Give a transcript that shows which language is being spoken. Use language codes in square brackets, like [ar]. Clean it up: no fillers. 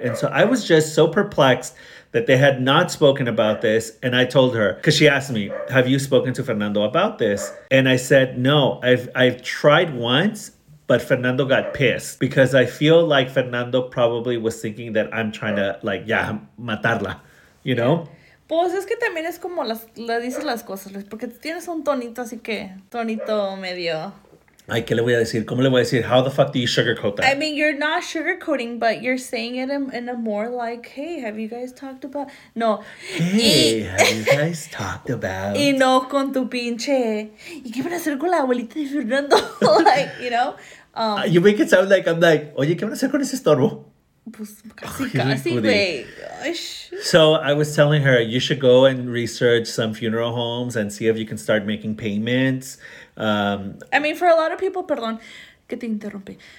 [en] And so I was just so perplexed that they had not spoken about this. And I told her, because she asked me, have you spoken to Fernando about this? And I said, no, I've tried once, but Fernando got pissed because I feel like Fernando probably was thinking that I'm trying to, like, yeah, matarla, you know? [es] Pues es que también es como le dices las cosas, Luis, porque tienes un tonito así que, tonito medio. Ay, ¿qué le voy a decir? ¿Cómo le voy a decir? [en] How the fuck do you sugarcoat that? I mean, you're not sugarcoating, but you're saying it in a more like, hey, have you guys talked about... No. Hey, have you guys talked about... [es] Y no con tu pinche... ¿Y qué van a hacer con la abuelita de Fernando? [en] Like, you know? You make it sound like I'm like, [es] oye, ¿qué van a hacer con ese estorbo? [en] So I was telling her, you should go and research some funeral homes and see if you can start making payments. I mean, for a lot of people, [es] perdón, que te interrumpí.